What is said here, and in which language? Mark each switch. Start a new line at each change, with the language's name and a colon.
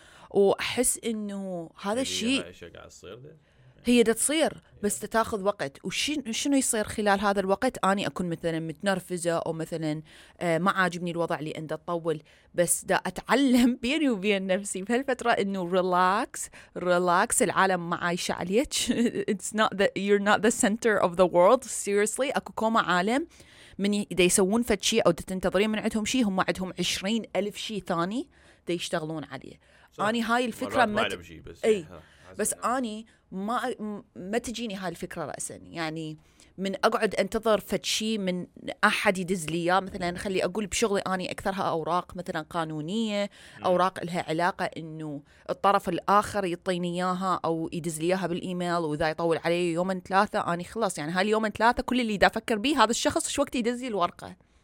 Arabic: وأحس إنه هذا الشيء هي دا تصير بس تتاخذ وقت. وشنو يصير خلال هذا الوقت؟ أنا أكون مثلا متنرفزة أو مثلا ما عاجبني الوضع اللي عنده تطول، بس دا أتعلم بيني وبين نفسي في هالفترة إنه ريلاكس ريلاكس، العالم ما عايشة عليك.
English: It's not that you're not the center of the world.
Arabic: Seriously، أكو كوما عالم من دا يسوون فتشي أو دا تنتظرين من عندهم شيء، هم عندهم 20,000 شيء ثاني دا يشتغلون عليه. أنا هاي الفكرة بس أني ما تجيني هاي الفكرة رأساً، يعني من أقعد أنتظر فتشي من أحد يدز لي، مثلاً خلي أقول بشغلي أني أكثرها أوراق مثلاً قانونية، أوراق لها علاقة إنه الطرف الآخر يطيني إياها أو يدز لي إياها بالإيميل، وإذا يطول علي يومين ثلاثة أني خلاص، يعني هاي اليومين ثلاثة كل اللي دا أفكر به هذا الشخص شو وقت يدز لي الورقة.